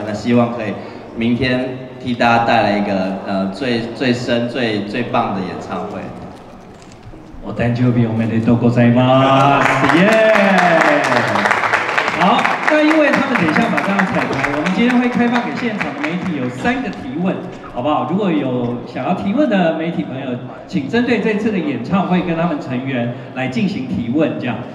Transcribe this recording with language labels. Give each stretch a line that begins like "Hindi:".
Chinese: 那希望可以明天替大家带来一个最棒的演唱会。
Japanese: お誕生日おめでとうございます。耶、yeah! ！
Chinese: 好，那因为他们等一下马上要彩排，我们今天会开放给现场媒体有三个提问。好不好？如果有想要提问的媒体朋友，请针对这次的演唱会跟他们成员来进行提问，这样。